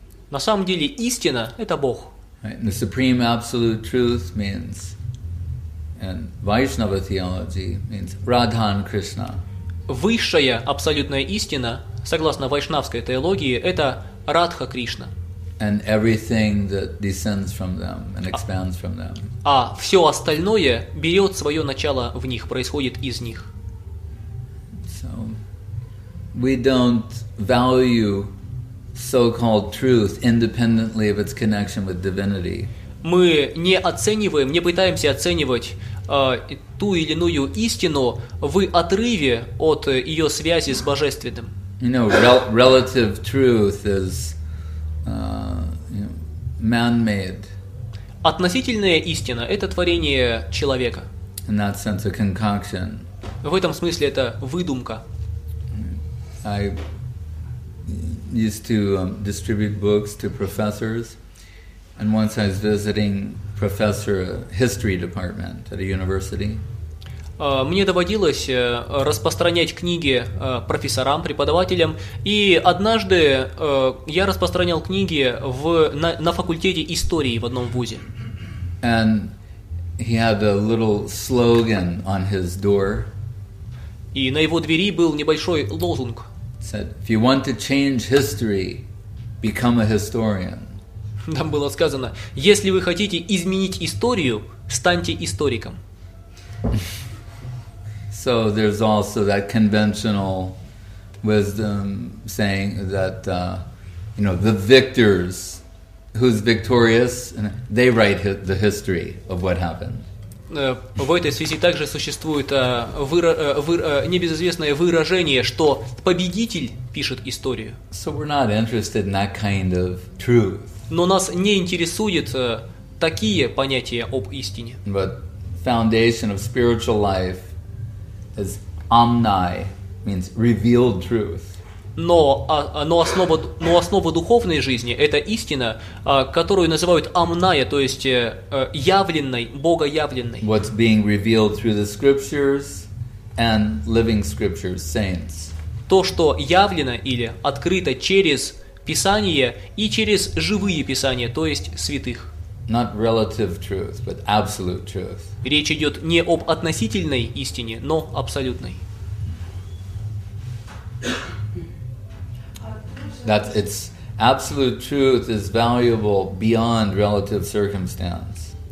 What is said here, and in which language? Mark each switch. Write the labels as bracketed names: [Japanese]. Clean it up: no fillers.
[Russian] На самом деле истина – это Бог. [English] Right? The supreme absolute truth means, and Vaishnava theology means Radha and Krishna. [Russian] Высшая абсолютная истина, согласно вайшнавской теологии, это Радха Кришна. [English] And everything that descends from them and expands from them. [Russian] А все остальное берет свое начало в них, происходит из них. [English] So, we don't value so-called truth independently of its connection with divinity. [Russian] Мы не оцениваем, не пытаемся оценивать ту или иную истину в отрыве от ее связи с божественным. [English] You know, relative truth is man-made. [Russian] Относительная истина – это творение человека. [English] In that sense, a concoction. [Russian] В этом смысле это выдумка. [English] I used to distribute books to professors, and once I was visiting professor history department at a university. [Russian] Мне доводилось распространять книги профессорам, преподавателям, и однажды я распространял книги на факультете истории в одном вузе. [English] And he had a little slogan on his door. [Russian] И на его двери был небольшой лозунг. [English] Said, if you want to change history, become a historian. [Russian] Там было сказано: если вы хотите изменить историю, станьте историком. [English] So there's also that conventional wisdom saying that the victors, who's victorious, they write the history of what happened. [Russian] В этой связи также существует небезызвестное выражение, что победитель пишет историю. [English] So we're not interested in that kind of truth. [Russian] Но нас не интересуют такие понятия об истине. [English] But foundation of spiritual life is omni, means revealed truth. [Russian] Но основа духовной жизни – это истина, которую называют омная, то есть явленной, богоявленной. [English] What's being revealed through the scriptures and living scriptures, saints. [Russian] То, что явлено или открыто через Писание и через живые Писания, то есть святых. [English] Not relative truth, but absolute truth. [Russian] Речь идет не об относительной истине, но абсолютной. [English] That its absolute truth is valuable beyond relative circumstance.